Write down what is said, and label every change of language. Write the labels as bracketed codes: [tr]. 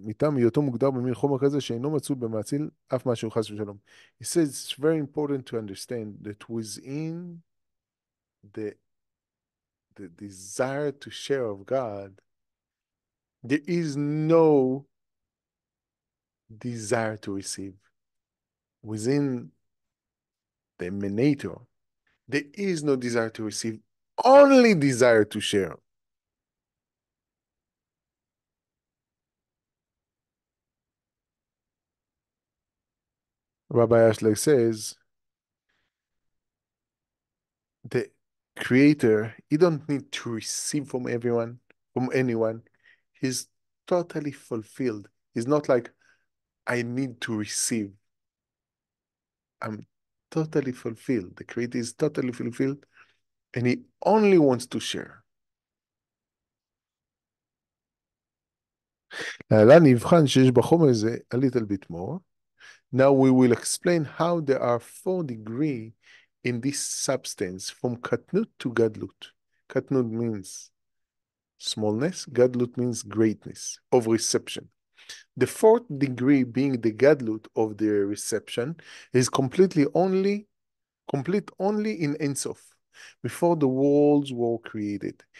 [he] מטעם היותו מוגדר במין חומר כזה שאינו מצאו במעציל אף משהו חס ושלום. [en] He says it's very important to understand that within the desire to share of God, there is no desire to receive. Within the emanator, there is no desire to receive, only desire to share. Rabbi Ashley says, the Creator, he don't need to receive from everyone, from anyone. He's totally fulfilled. He's not like, I need to receive. I'm totally fulfilled. The Creator is totally fulfilled, and he only wants to share. [he] להלן יבחן שיש בחומר זה [en] a little bit more. Now we will explain how there are 4 degrees in this substance from katnut to gadlut. Katnut means smallness, gadlut means greatness of reception. The 4th degree being the gadlut of the reception is complete only in Ein Sof, before the worlds were created.